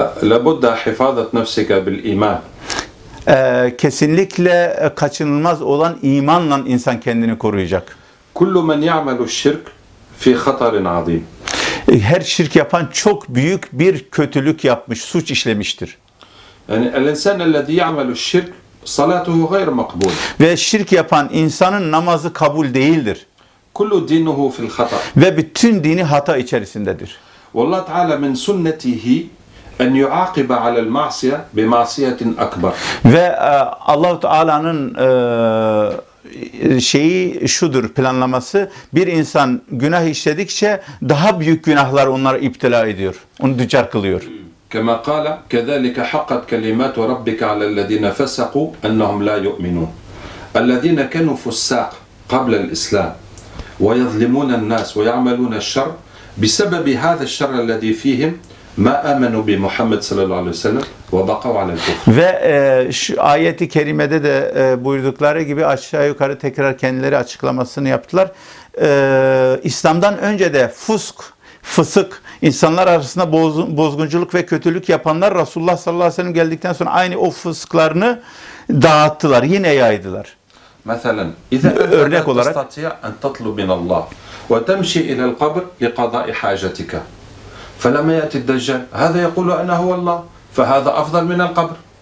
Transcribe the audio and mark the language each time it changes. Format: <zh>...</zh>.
<ar>لابد حفاظة نفسك بالإيمان.</ar> <tr>Kesinlikle kaçınılmaz olan imanla insan kendini koruyacak.</tr> <ar>كل من يعمل الشرك في خطر عظيم.</ar> <tr>Her şirk yapan çok büyük bir kötülük yapmış, suç işlemiştir.</tr> <ar>Yani الانسان الذي يعمل الشرك صلاته غير مقبول.</ar> <tr>Ve şirk yapan insanın namazı kabul değildir.</tr> <ar>كل دينه في الخطأ.</ar> <tr>Ve bütün dini hata içerisindedir.</tr> <ar>والله تعالى من سنته أن يعاقب على المعصية بمعصية أكبر.</ar> <tr>Ve Allah Teala'nın şeyi şudur, planlaması: bir insan günah işledikçe daha büyük günahlar onları iptila ediyor, onu düçar kılıyor.</tr> <ar>كَمَا قَالَ كَذَلِكَ حَقَّتْ كَلِمَاتُ رَبِّكَ عَلَى الَّذِينَ فَسَقُوا أَنَّهُمْ لَا يُؤْمِنُونَ الَّذِينَ كَانُوا فُسَّاقَ قَبْلَ الْإِسْلَامِ وَيَظْلِمُونَ النَّاسَ وَيَعْمَلُونَ الشَّرَّ بِسَبَبِ هَذَا الشَّرِّ الَّذِي فِيهِمْ مَا آمَنُوا بِمُحَمَّدٍ صَلَّى اللَّهُ عَلَيْهِ وَسَلَّمَ وَبَقَوْا عَلَى الْكُفْرِ.</ar> <tr>Ve şu ayeti kerimede de buyurdukları gibi aşağı yukarı tekrar kendileri açıklamasını yaptılar. İslam'dan önce de fısık insanlar arasında bozgunculuk ve kötülük yapanlar Resulullah sallallahu aleyhi ve sellem geldikten sonra aynı o fısklarını dağıttılar, yine yaydılar.</tr> <ar>مثلا اذا</ar> <tr>örnek olarak</tr> <ar>تستطيع ان تطلب من الله وتمشي الى القبر لقضاء حاجتك فلما ياتي الدجال هذا يقول انه هو الله فهذا افضل من القبر.</ar>